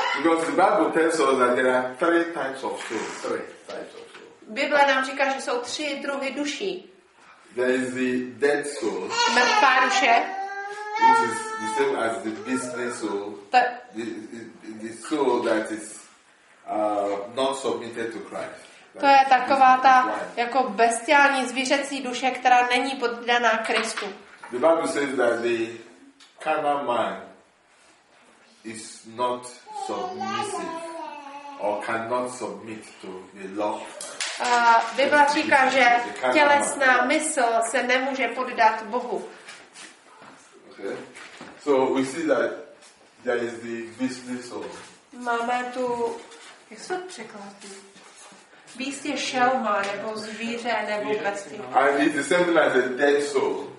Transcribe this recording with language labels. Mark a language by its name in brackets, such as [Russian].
[English] Because the Bible tells us that there are three types of soul. [Czech] Bible nám říká, že jsou 3 druhy duší. [English] There is the dead soul. [Czech] Mrtvá duše. [English] Which is the same as the beastly soul. The soul that is not submitted to Christ. [Czech] To je taková ta jako bestiální zvířecí duše, která není poddaná Kristu. [English] The Bible says that the carnal mind is not submissive or cannot submit to the law. [Czech] Bible říká, že tělesná mysl se nemůže poddat Bohu. [English] Okay. So we see that there is the beastly soul. [Czech] Máme tu, jak se to překládá? Beast je šelma, nebo zvíře, nebo bestie. [English] And it is something like a dead soul.